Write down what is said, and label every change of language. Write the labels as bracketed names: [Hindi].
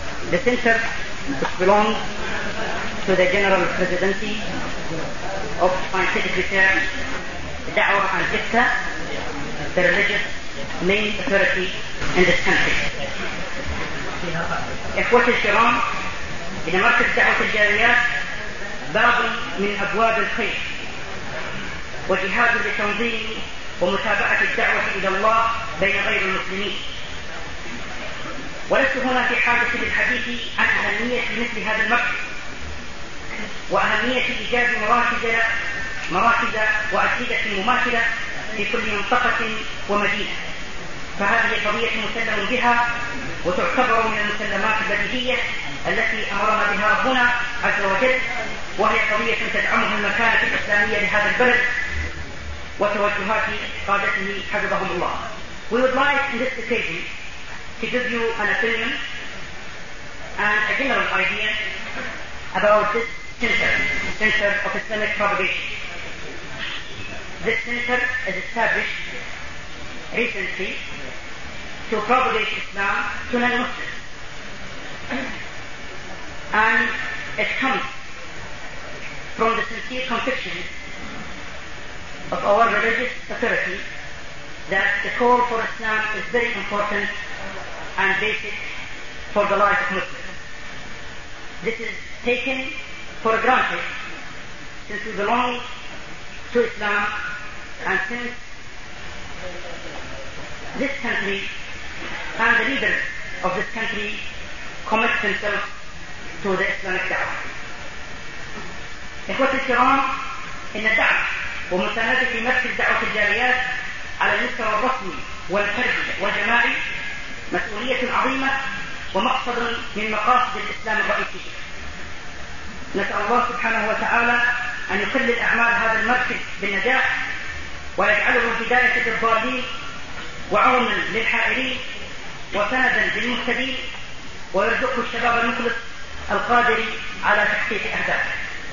[English] The center belongs to the General Presidency of Scientific Research, Da'wah and Ifta, the religious main authority in this country. [Arabic] إخوتي الكرام, إن مركز دعوة الجاليات باب من أبواب الخير وجهاد لتنظيم ومتابعة الدعوة إلى الله بين غير المسلمين. ولست هنا في حاجة للحديث عن أهمية مثل هذا المركز وأهمية إيجاد مراكز وأسيدة مماثلة في كل منطقة ومدينة, فهذه قضية مسلم بها وتعتبر من المسلمات البديهية التي أمرنا بها ربنا عز وجل, وهي قضية تدعمها المكانة الإسلامية لهذا البلد وتوجهات قادته حفظهم الله. [English] We would like in this occasion to give you an opinion and a general idea about this center, the Center of Islamic Propagation. This center is established recently to propagate Islam to non-Muslims, and it comes from the sincere conviction of our religious authority that the call for Islam is very important and basic for the life of Muslims. This is taken for granted since we belong to Islam, and since this country and the leaders of this country commit themselves to the Islamic da'wah. [Arabic] إخوة الكرام, إن الدعم ومساندة مركز دعوة الجاليات على المستوى الرسمي والفردي والجماعي مسؤولية عظيمة ومقصد من مقاصد الإسلام الرئيسي. نسأل الله سبحانه وتعالى أن يخلد أعمال هذا المركز بالنجاح ويجعله هداية للضالين وعونا للحائرين وسندا للمهتدين, ويرزقه الشباب المخلص القادر على تحقيق أهدافه.